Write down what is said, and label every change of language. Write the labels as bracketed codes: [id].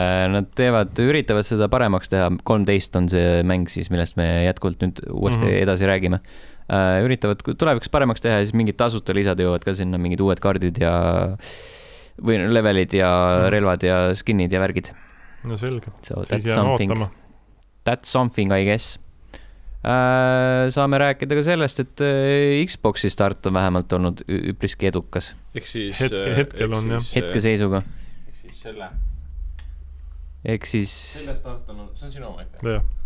[et] Nad teevad, üritavad seda paremaks teha, 13 on see mäng siis, millest me jätkult nüüd uuesti mm-hmm. edasi räägime. Üritavad tulevikus paremaks teha, siis mingid tasuta lisad jõuvad ka sinna, mingid uued kaardid ja või levelid ja relvad ja skinnid ja värgid. No selge, [en] so, that's [et] siis [en] something. [et] Ootama. [en] That's something, I guess. [et] Saame rääkida ka sellest, et Xboxi start on vähemalt olnud üpriski edukas. Eks siis... Hetkel on, jah. Hetkeseisuga. Eks siis selle... Eks siis... Selle start on... See on sinu oma ikka.